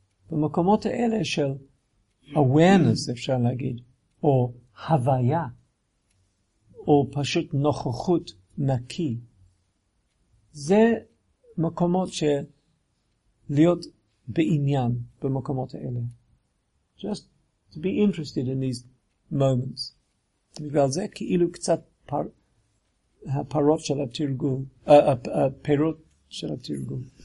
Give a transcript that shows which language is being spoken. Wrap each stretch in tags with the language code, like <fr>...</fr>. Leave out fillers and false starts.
<he>במקומות האלה של awareness, אפשר להגיד, או הוויה, או פשוט נוכחות נקי. זה מקומות של להיות בעניין במקומות האלה.</he> <en>Just to be interested in these moments.</en> <he>בגלל זה כאילו קצת הפירות של התרגול, הפירות של התרגול.</he>